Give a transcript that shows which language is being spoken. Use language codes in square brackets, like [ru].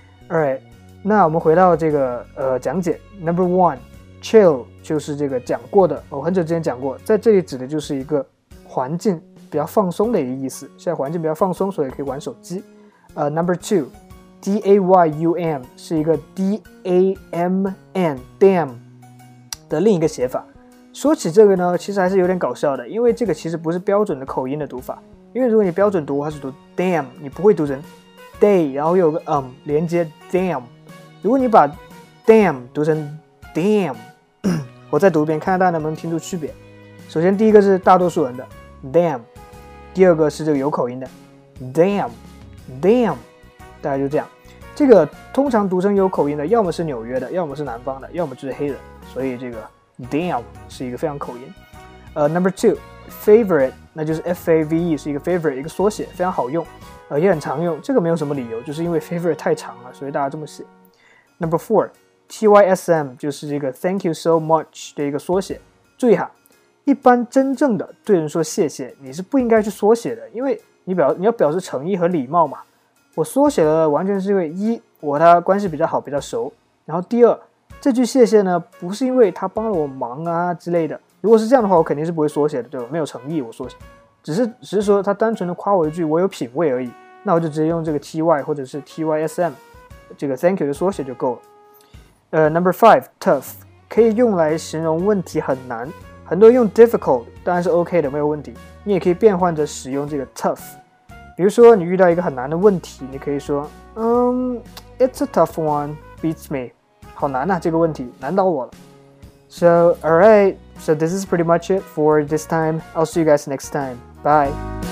[zh] Alright, 那我们回到这个讲解。Number one, chill 就是这个讲过的，我很久之前讲过，在这里指的就是一个环境比较放松的一个意思。现在环境比较放松，所以可以玩手机。 Number two, D-A-Y-U-M 是一个 D-A-M-N, damn 的另一个写法。说起这个呢，其实还是有点搞笑的，因为这个其实不是标准的口音的读法。因为如果你标准读，它是读 damn， 你不会读成 day， 然后又有个连接 damn。如果你把 damn 读成 damn， 我再读一遍，看看大家能不能听出区别。首先第一个是大多数人的 damn， 第二个是这个有口音的 damn， 大家就这样。这个通常读成有口音的，要么是纽约的，要么是南方的，要么就是黑人，所以这个。 Damn 是一个非常口音。Number two, favorite 那就是 F-A-V-E 是一个 favorite 一个缩写，非常好用，也很常用。这个没有什么理由，就是因为 favorite 太长了，所以大家这么写。 Number four, T-Y-S-M 就是这个 Thank you so much 的一个缩写。注意哈，一般真正的对人说谢谢，你是不应该去缩写的，因为你要表示诚意和礼貌嘛。我缩写了完全是因为一，我和他关系比较好，比较熟，然后第二。这句谢谢呢，不是因为他帮了我忙啊之类的。如果是这样的话，我肯定是不会缩写的，对吧？没有诚意，我缩写，只是说他单纯的夸我一句，我有品味而已。那我就直接用这个 TY 或者是 TYSM， 这个 Thank you 的缩写就够了。 Number five, tough 可以用来形容问题很难，很多人用 difficult 当然是 OK 的，没有问题。你也可以变换着使用这个 tough， 比如说你遇到一个很难的问题，你可以说， [en] It's a tough one, beats me。 [zh] 好难啊，这个问题难倒我了。 [en] So, alright, so this is pretty much it for this time. I'll see you guys next time. Bye.